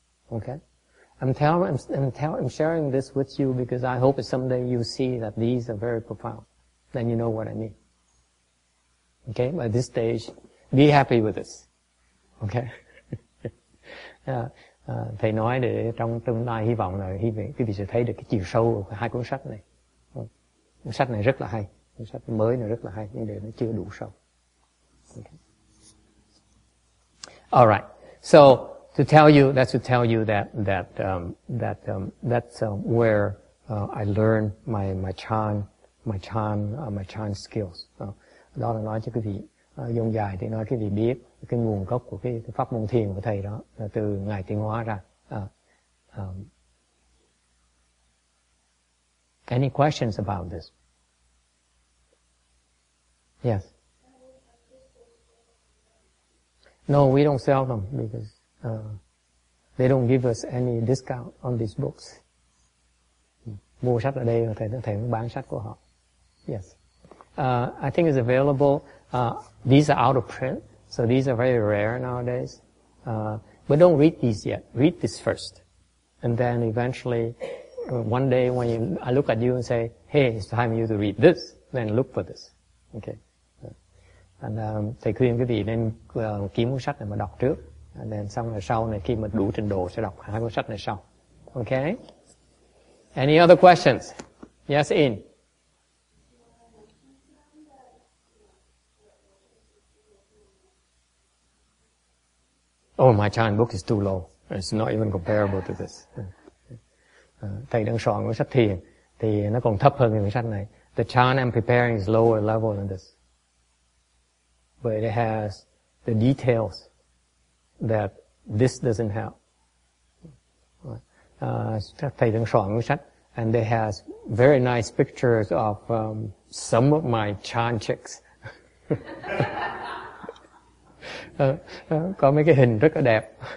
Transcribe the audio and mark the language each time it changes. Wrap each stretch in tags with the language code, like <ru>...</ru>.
<en>Okay, I'm sharing this with you because I hope that someday you see that these are very profound. Then you know what I mean. Okay, by this stage, be happy with this. Okay.</en> <vi>Thầy nói để trong tương lai hy vọng là hy vọng quý vị sẽ thấy được cái chiều sâu của hai cuốn sách này. Cuốn sách này rất là hay, cuốn sách mới này rất là hay, nhưng để nó chưa đủ sâu.</vi> <en>Okay. All right. So to tell you, that's to tell you that's where I learned my chan skills.</en> <vi>Đó là nói cho quý vị. Dùng dài thì nói cái gì biết cái nguồn gốc của cái pháp môn thiền của thầy đó là từ ngài tiến hóa ra.</vi> <en>Any questions about this? Yes. No, we don't sell them because they don't give us any discount on these books.</en> <vi>Mua sách ở đây là thầy cũng bán sách của họ.</vi> <en>Yes. I think it's available. These are out of print, so these are very rare nowadays. But don't read these yet. Read this first. And then eventually, one day when I look at you and say, hey, it's time for you to read this, then look for this. Okay.</en> <vi>And, thầy khuyên quý vị nên kiếm cuốn sách này mà đọc trước.</vi> <en>And then</en> <vi>xong rồi sau này khi mà đủ trình độ sẽ đọc hai cuốn sách này sau.</vi> <en>Okay. Any other questions? Yes, In. Oh, my Chan book is too low. It's not even comparable to this.</en> <vi>Thầy đang soạn cuốn sách thiền thì nó còn thấp hơn cuốn sách này.</vi> <en>The Chan I'm preparing is lower level than this. But it has the details that this doesn't have.</en> <vi>Thầy đang soạn cuốn sách</vi> <en>and it has very nice pictures of some of my Chan chicks.</en> <vi>Có mấy cái hình rất là đẹp.</vi>